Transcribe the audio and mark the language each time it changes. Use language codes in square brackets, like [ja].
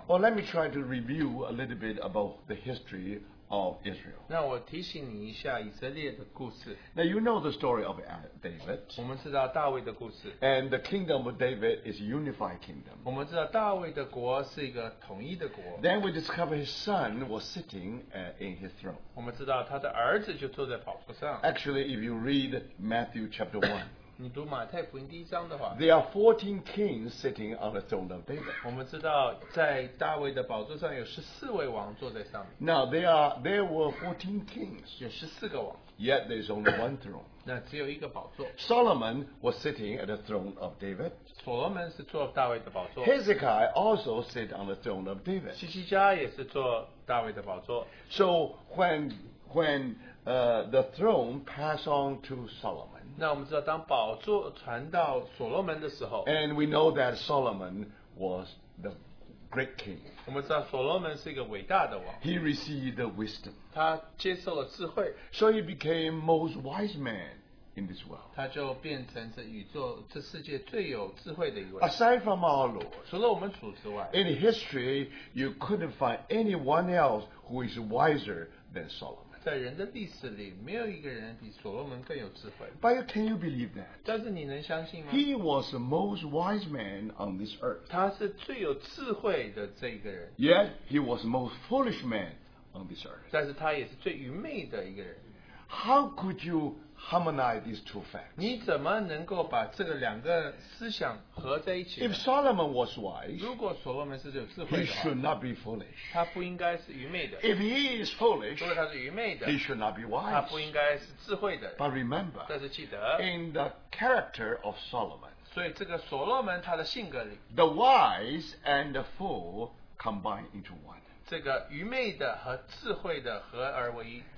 [en] Well, let me try to review a little bit about the history of Israel. [zh] 那我提醒你一下以色列的故事。 [en] Now you know the story of David. [zh] 我们知道大卫的故事。 [en] And the kingdom of David is a unified kingdom. [zh] 我们知道大卫的国是一个统一的国。 [en] Then we discover his son was sitting in his throne. [zh] 我们知道他的儿子就坐在宝座上。 [en] Actually, if you read Matthew chapter 1, [zh] 你读马太福音第一章的话, [en] there are 14 kings sitting on the throne of David. [zh] 我们知道在大卫的宝座上有14位王坐在上面。 [en] Now there were 14 kings. [zh] 有14个王。 [en] Yet there's only one throne. [zh] 那只有一个宝座。 [en] Solomon was sitting at the throne of David. [zh] 所罗门是坐大卫的宝座。 [en] Hezekiah also sat on the throne of David. [zh] 西西家也是坐大卫的宝座。 [en] So when the throne passed on to Solomon. [zh] 那我们知道当宝座传到所罗门的时候, [en] and we know that Solomon was the great king. [zh] 我们知道所罗门是一个伟大的王。 [en] He received the wisdom. [zh] 他接受了智慧。 [en] So he became most wise man in this world. [zh] 他就变成这宇宙这世界最有智慧的一位。 [en] Aside from our Lord, [zh] 除了我们主之外, [en] in history, you couldn't find anyone else who is wiser than Solomon. [zh] 在人的历史里，没有一个人比所罗门更有智慧。 [en] But can you believe that? [zh] 但是你能相信吗? [en] He was the most wise man on this earth. [zh] 他是最有智慧的这个人。 [en] Yet he was the most foolish man on this earth. [zh] 但是他也是最愚昧的一个人。 [en] How could you harmonize these two facts? [zh] 你怎么能够把这两个思想合在一起? [en] If Solomon was wise, [zh] 如果所罗门是有智慧的话, [en] he should not be foolish. [zh] 他不应该是愚昧的。 [en] If he is foolish, [zh] 如果他是愚昧的, [en] he should not be wise. [zh] 他不应该是智慧的。 [en] But remember, [zh] 但是记得, [en] in the character of Solomon, [zh] 所以这个所罗门他的性格里, [en] the wise and the fool combine into one. [zh] 这个愚昧的和智慧的合而为一。